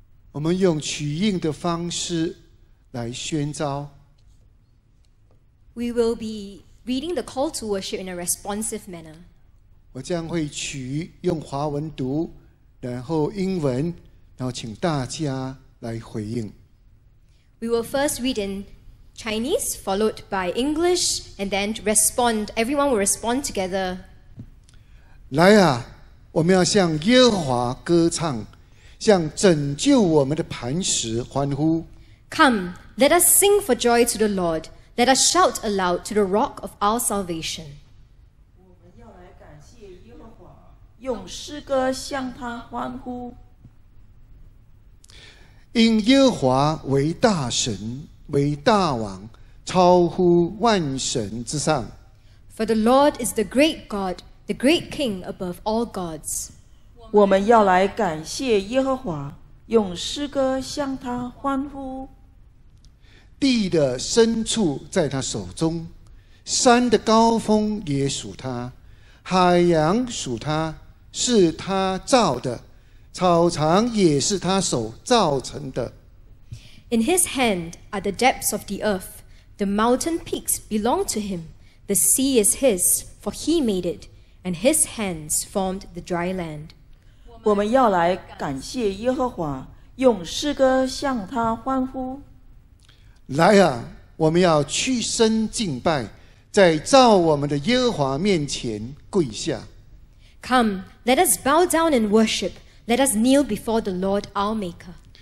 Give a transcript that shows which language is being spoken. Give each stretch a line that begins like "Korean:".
Chinese: 我们用取应的方式来宣召。
English: We will be reading the call to worship in a responsive manner. 我将会取用华文读，然后英文，然后请大家来回应。 We will first read in Chinese, followed by English, and then respond. Everyone will respond together.
Chinese: 来啊，我们要向耶和华歌唱。向拯救我们的磐石欢呼。
English: Come, let us sing for joy to the Lord. Let us shout aloud to the rock of our salvation.
Chinese: 我们要来感谢耶和华，用诗歌向他欢呼。因耶和华为大神，为大王，超乎万神之上。
English: For the Lord is the great God, the great King above all gods.
Chinese: 我们要来感谢耶和华，用诗歌向他欢呼。地的深处在他手中，山的高峰也属他，海洋属他，是他造的，草场也是他手造成的。
English: In his hand are the depths of the earth. The mountain peaks belong to him. The sea is his, for he made it, and his hands formed the dry land.
Chinese: 我们要来感谢耶和华，用诗歌向他欢呼。来啊，我们要屈身敬拜，在造我们的耶和华面前跪下。
English: Come, let us bow down and worship. Let us kneel before the Lord our Maker.